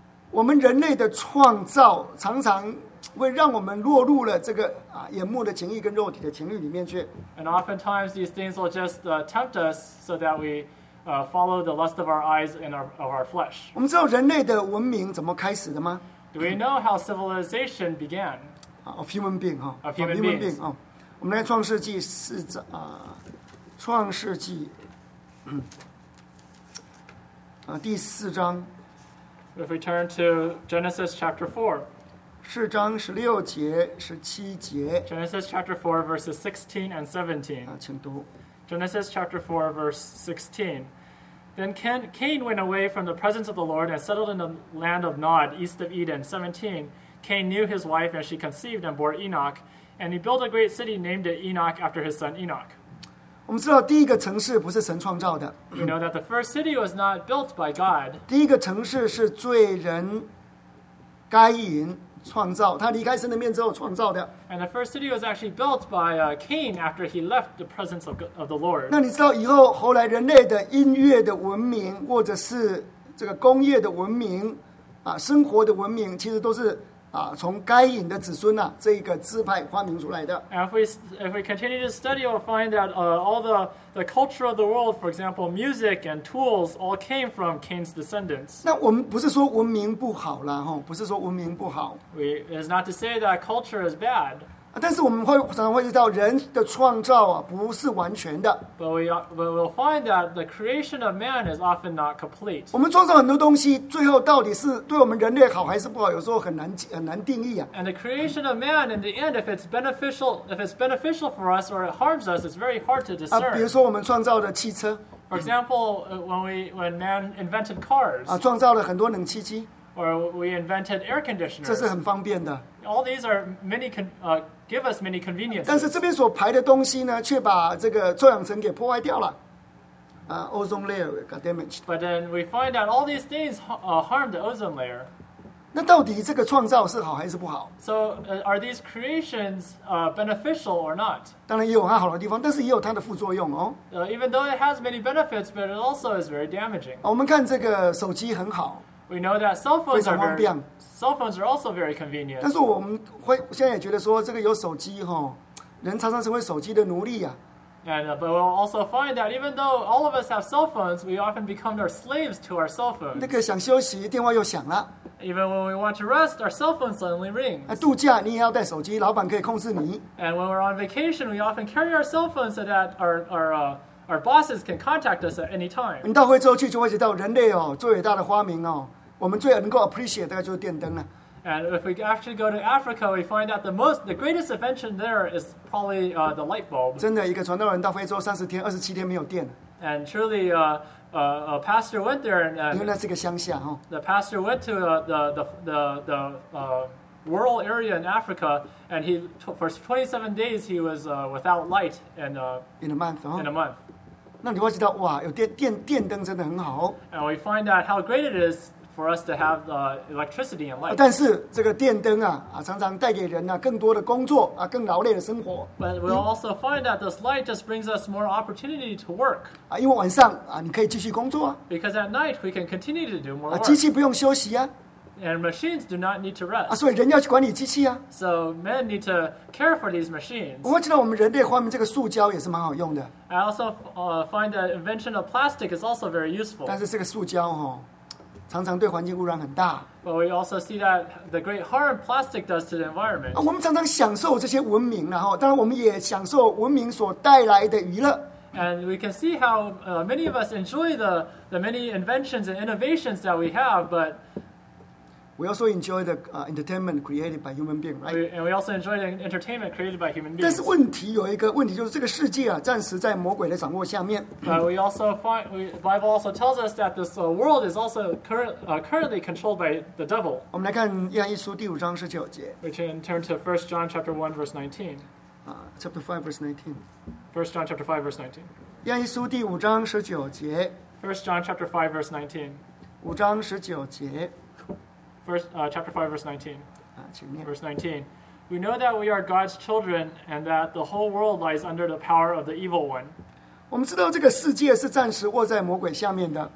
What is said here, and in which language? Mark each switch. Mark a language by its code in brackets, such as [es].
[zh] 我们人类的创造常常会让我们落入了这个眼目的情欲跟肉体的情欲里面去。 [en] And oftentimes these things will just tempt us so that we follow the lust of our eyes and of our flesh. [zh] 我们知道人类的文明怎么开始的吗？ [en] Do we know how civilization began? Of human being, huh? Of human beings. Human being, huh? [zh] 我们来创世纪四章创世纪第四章。 [en] If we turn to Genesis chapter 4. [zh] 四章十六节、十七节。 [en] Genesis chapter 4, verses 16 and 17. [zh] 请读。 [en] Genesis chapter 4, verse 16. Then Cain went away from the presence of the Lord and settled in the land of Nod, east of Eden. 17. Cain knew his wife, and she conceived and bore Enoch. And he built a great city, named it Enoch after his son Enoch. [zh] 我们知道第一个城市不是神创造的。 [en] We know that the first city was not built by God. [zh] 第一个城市是罪人该隐。创造，他离开神的面之后创造的。 [en] And the first city was actually built by Cain after he left the presence of the Lord. [zh] 那你知道以后后来人类的音乐的文明，或者是这个工业的文明，生活的文明，其实都是从该隐的子孙这一个支派发明出来的。 [en] And if we continue to study, we'll find that all the culture of the world, for example, music and tools, all came from Cain's descendants. [zh] 那我们不是说文明不好啦，不是说文明不好。 [en] It's not to say that culture is bad. [zh] 但是我们会常常会知道人的创造不是完全的。 [en] But we'll find that the creation of man is often not complete. [zh] 我们创造很多东西，最后到底是对我们人类好还是不好，有时候很难定义 [en] And the creation of man, in the end, if it's beneficial for us or it harms us, it's very hard to discern. [zh] 比如说我们创造的汽车。 [en] For example, when man invented cars. [zh] 创造了很多冷气机。 [en] Or we invented air conditioners. [zh] 这是很方便的。 [en] All these are many give us many conveniences. [zh] 但是这边所排的东西呢，却把这个臭氧层给破坏掉了。 [en] Ozone layer got damaged. But then we find that all these things harm the ozone layer. [zh] 那到底这个创造是好还是不好？ [en] So are these creations beneficial or not? [zh] 当然也有它好的地方，但是也有它的副作用哦。 [en] Even though it has many benefits, but it also is very damaging. [zh] 我们看这个手机很好。 [en] We know that cell phones are also very convenient. [zh] 但是我们会现在也觉得说，这个有手机人常常成为手机的奴隶 [en] But we'll also find that even though all of us have cell phones, we often become our slaves to our cell phones. [zh] 那个想休息，电话又响了。 [en] Even when we want to rest, our cell phone suddenly rings. [zh] 度假你也要带手机，老板可以控制你。 [en] And when we're on vacation, we often carry our cell phones so that our bosses can contact us at any time. [zh] 你到非洲去就会知道，人类最伟大的发明我们最能够 appreciate 大概就是电灯了。 [en] And if we actually go to Africa, we find that the greatest invention there is probably the light bulb. [zh] 真的，一个传道人到非洲30天、27天没有电。 [en] And truly, a pastor went there and [zh] 因为那是个乡下 [en] The pastor went to the rural area in Africa, and he for 27 days he was without light and in a month. [zh] 那你会知道哇，有电灯真的很好。 [en] And we find out how great it is for us to have electricity and light. [zh] 但是这个电灯常常带给人更多的工作更劳累的生活。 [en] But we also find that this light just brings us more opportunity to work. [zh] 因为晚上你可以继续工作。 [en] Because at night we can continue to do more work. [zh] 机器不用休息 [en] And machines do not need to rest. [zh] 所以人要去管理机器 [en] So men need to care for these machines. [zh] 我知道我们人类发明这个塑胶也是蛮好用的。 [en] I also find the invention of plastic is also very useful. [zh] 但是这个塑胶常常对环境污染很大。 [en] But we also see that the great harm plastic does to the environment. [zh] 我们常常享受这些文明，然后当然我们也享受文明所带来的娱乐。 [en] And we can see how many of us enjoy the many inventions and innovations that we have, but we also enjoy the entertainment created by human beings, right? And we also enjoy the entertainment created by human beings. [zh] 但是问题有一个问题，就是这个世界啊，暂时在魔鬼的掌握下面。 [en] But we also find the Bible also tells us that this world is also currently controlled by the devil. [zh] 我们来看《约翰一书》第五章十九节。 [en] We can turn to 1 John chapter 1 verse 19. Chapter 5 verse 19. 1 John chapter 5 verse 19. [zh] 约翰一书第五章十九节。 [en] 1 John chapter 5 verse 19. [zh] 五章十九节。 [en] Chapter 5, verse 19. Verse 19. We know that we are God's children and that the whole world lies under the power of the evil one. [zh] 我们知道这个世界是暂时握在魔鬼下面的。